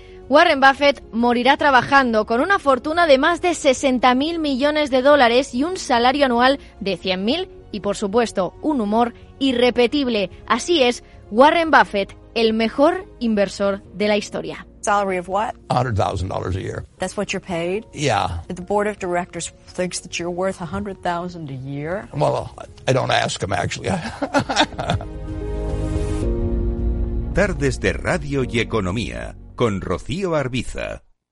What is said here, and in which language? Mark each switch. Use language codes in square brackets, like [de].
[es] Warren Buffett morirá trabajando con una fortuna de más de 60 mil millones de dólares y un salario anual de 100 mil y, por supuesto, un humor irrepetible. Así es, Warren Buffett, el mejor inversor de la historia. [en] Salary of what? $100,000 a year. That's what you're paid? Yeah. The board of directors thinks that you're worth $100,000 a year? Well, I don't ask them, actually. [es] Tardes de Radio y Economía, con Rocío Arbiza.